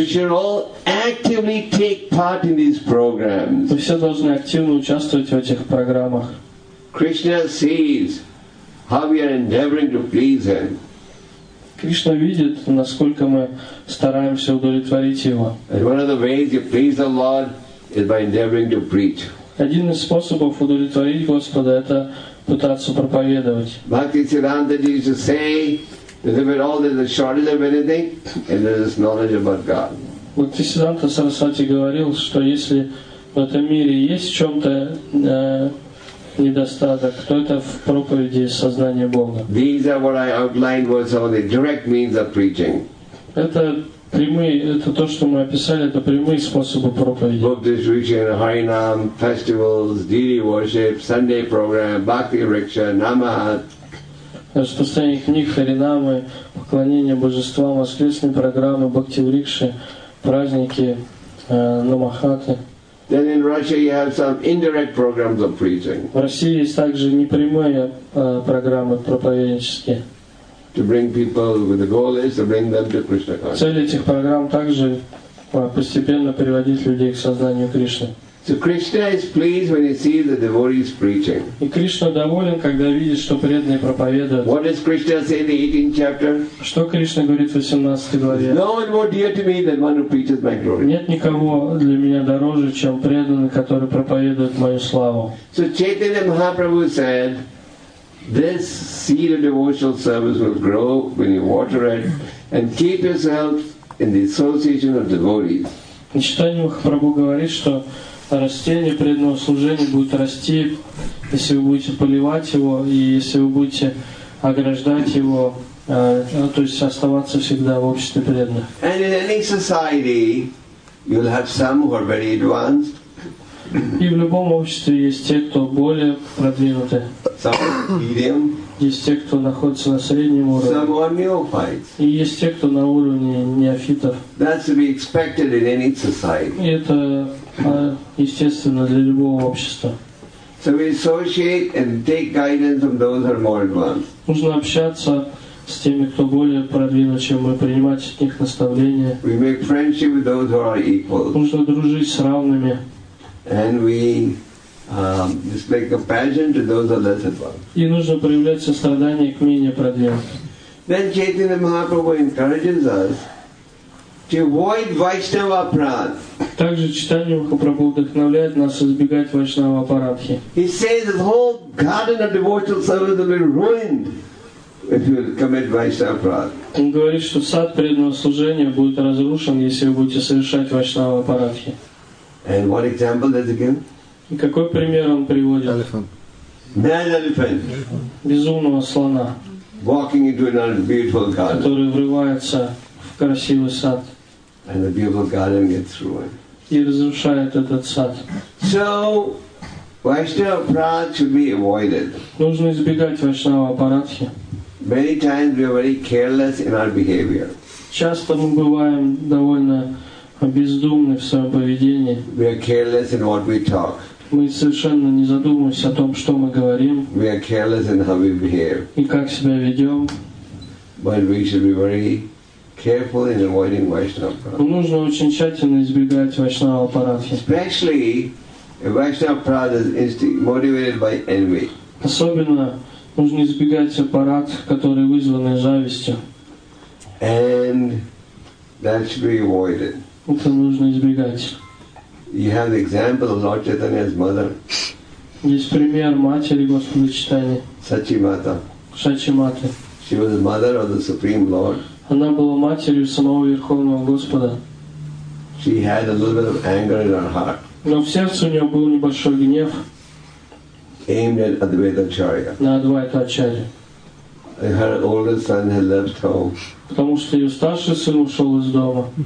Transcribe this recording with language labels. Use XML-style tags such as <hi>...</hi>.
<en>We should all actively take part in these programs.</en> <ru>Мы все должны активно участвовать в этих программах.</ru> <en>Krishna sees how we are endeavoring to please Him.</en> <ru>Кришна видит, насколько мы стараемся удовлетворить Его.</ru> <en>And one of the ways you please the Lord is by endeavoring to preach.</en> <ru>Один из способов удовлетворить Господа – это пытаться проповедовать.</ru> <en>Bhakti Siddhanta used to say, if at all there's a shortage of anything, and there's this knowledge about God.</en> <ru>Bhakti Siddhanta Sarasvati говорил, что если в этом мире есть в чем-то недостаток, то это в проповеди сознания Бога.</ru> <en>These are what I outlined was some of the direct means of preaching.</en> <ru>Это прямые, это то, что мы описали, это прямые способы проповеди.</ru> <en>Book distribution, Harinam, festivals, deity worship, Sunday program, bhakti vriksha, namahat.</en> <ru>Распространение книг, харинамы, поклонение божествам, воскресные программы, бхакти врикши, праздники, намахаты.</ru> <en>Then in Russia you have some indirect programs of preaching.</en> <ru>В России есть также непрямые программы проповеднические.</ru> <en>To bring people, with the goal is to bring them to Krishna consciousness.</en> <ru>Цель этих программ также постепенно приводить людей к сознанию Кришны.</ru> <en>So Krishna is pleased when he sees the devotees preaching.</en> <ru>И Кришна доволен, когда видит, что преданные проповедуют.</ru> <en>What does Krishna say in the 18th chapter?</en> <ru>Что Кришна говорит в 18 главе?</ru> <en>No one more dear to me than one who preaches my glory.</en> <ru>Нет никого для меня дороже, чем преданный, который проповедует мою славу.</ru> <en>So Chaitanya Mahaprabhu said, this seed of devotional service will grow when you water it, and keep yourself in the association of devotees.</en> <ru>И Chaitanya Mahaprabhu говорит, что растение преданного служения будет расти, если вы будете поливать его и если вы будете ограждать его, то есть оставаться всегда в обществе преданных.</ru> <en>And in any society, you'll have some who are very advanced.</en> <ru>И в любом обществе есть те, кто более продвинуты.</ru> <en>Some medium.</en> <ru>Есть те, кто находится на среднем уровне.</ru> <en>Some are neophytes.</en> <ru>И есть те, кто на уровне неофитов.</ru> <en>That's to be expected in any society.</en> <ru>И это естественно для любого общества.</ru> <en>So we associate and take guidance from those who are more advanced.</en> <ru>Нужно общаться с теми, кто более продвинут, чем мы, принимать от них наставления.</ru> <en>We make friendship with those who are equals.</en> <ru>Нужно дружить с равными.</ru> <en>And we display compassion to those who are less advanced.</en> <ru>И нужно проявлять сострадание к менее продвинутым.</ru> <en>Then Chaitanya Mahaprabhu encourages us to avoid Vaishnava Aparadhi.</en> <ru>Также читание Махапрабху вдохновляет нас избегать Вайшнава Апарадхи.</ru> <en>He says the whole garden of devotional service will be ruined if you commit Vaishnava Aparadhi.</en> <ru>Он говорит, что сад преданного служения будет разрушен, если вы будете совершать Вайшнава Апарадхи.</ru> <en>And what example does he give?</en> <ru>И какой пример он приводит?</ru> <en>Elephant. Mad elephant.</en> <ru>Безумного слона.</ru> <en>Walking into a beautiful garden.</en> <ru>Который врывается в красивый сад.</ru> <en>And the beautiful garden gets ruined.</en> <ru>И разрушает этот сад.</ru> <en>So, Vaishnava Aparadhi should be avoided.</en> <ru>Нужно избегать Вайшнава Апарадхи.</ru> <en>Many times we are very careless in our behavior.</en> <ru>Часто мы бываем довольно бездумны в своем поведении.</ru> <en>We are careless in what we talk.</en> <ru>Мы совершенно не задумываемся о том, что мы говорим.</ru> <en>We are careless in how we behave.</en> <ru>И как себя ведем.</ru> <en>But we should be very careful in avoiding Vaishnava Aparadhi.</en> <ru>Нужно очень тщательно избегать Вайшнава Апарадхи.</ru> <en>Especially if Vaishnava Aparadhi is motivated by envy.</en> <ru>Особенно нужно избегать аппарат, который вызван завистью.</ru> <en>And that should be avoided.</en> <ru>Это нужно избегать.</ru> <en>You have the example of Lord Chaitanya's mother.</en> <ru>Есть пример матери Господа Читания.</ru> <en>Сачи Мата.</en> <ru>Сачи Мата.</ru> <en>She was the mother of the Supreme Lord.</en> <ru>Она была матерью самого Верховного Господа.</ru> <en>She had a little bit of anger in her heart.</en> <ru>Но в сердце у нее был небольшой гнев.</ru> <en>Aimed at Advaita Acharya.</en> <ru>На Адвайта Ачарья.</ru> <en>Her older son had left home.</en> <ru>Потому что ее старший сын ушел из дома.</ru>